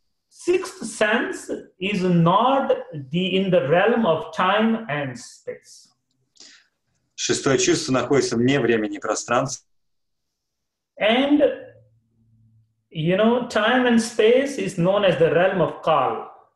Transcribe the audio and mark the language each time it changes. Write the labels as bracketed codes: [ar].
[en] Sixth sense is not in the realm of time and space. [ru] Шестое чувство находится вне времени и пространства. [en] And you know, time and space is known as the realm of Kal.